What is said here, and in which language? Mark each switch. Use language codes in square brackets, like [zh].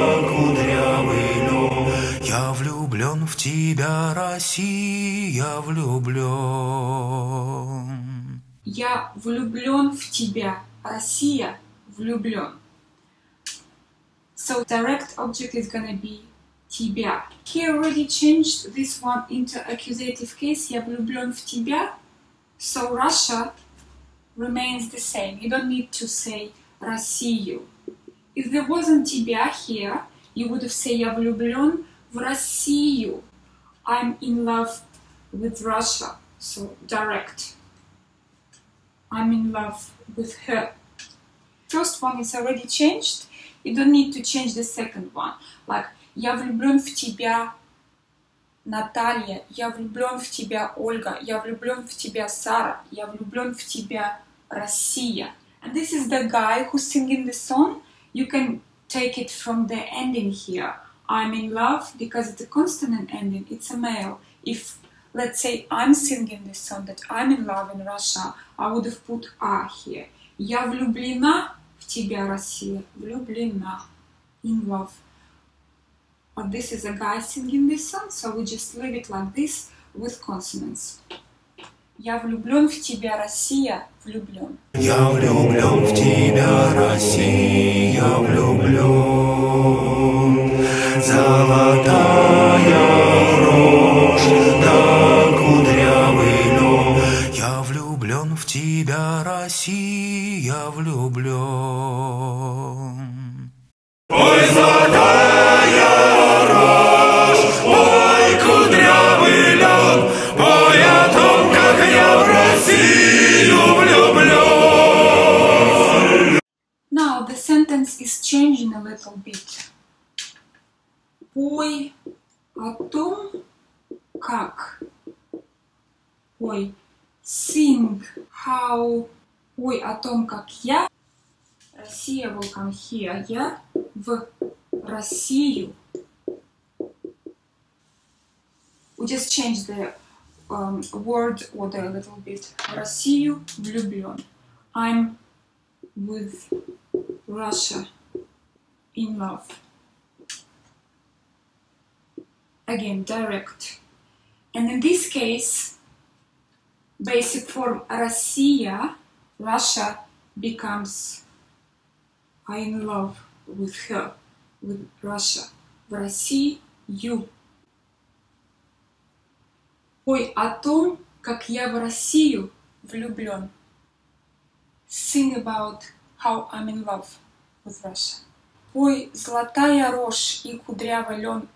[ru] Я влюблен в тебя, Россия, влюблен. Я влюблен в тебя, Россия, влюблен. [en] So direct object is gonna be тебя. He already changed this one into accusative case. [ru] Я влюблен в тебя. [en] So Russia remains the same. You don't need to say Россию. If there wasn't тебя here, you would have said [ru] я влюблен в Россию. [en] I'm in love with Russia. So direct. I'm in love with her. First one is already changed. You don't need to change the second one. [ru] Like, я влюблен в тебя, Наталья. Я влюблен в тебя, Ольга. Я влюблен в тебя, Сара. Я влюблен в тебя, Россия. [en] And this is the guy who's singing the song. You can take it from the ending here. I'm in love, because it's a consonant ending. It's a male. If, let's say, I'm singing this song that I'm in love in Russia, I would have put A here. [ru] Я влюблена в тебя, Россия. [en] Влюблена. In love. But this is a guy singing this song, so we just leave it like this with consonants. [ru] Я влюблен в тебя, Россия. Влюблен. Я влюблен в тебя, Россия. Влюблен. Золотая рожь, да кудрявый нос. Я влюблен в тебя, Россия, влюблен. Ой, золотая рожь, ой, кудрявый лен. Ой, о том, как я в Россию влюблен. [en] Now the sentence is changing a little bit. [ru] Ой, о том, как. Ой, [en] sing, how. [ru] Ой, о том, как я. Россия [en] will come here. [ru] Я в Россию. [en] We just changed the word order a little bit. [ru] Россию влюблен. [en] I'm with Russia in love. Again, direct. And in this case, basic form Россия, Russia, becomes I'm in love with her, with Russia. [ru] В России you. Ой, о том, как я в Россию влюблен. [en] Sing about how I'm in love with Russia. [ru] Ой, золотая рожь и кудрявый лен.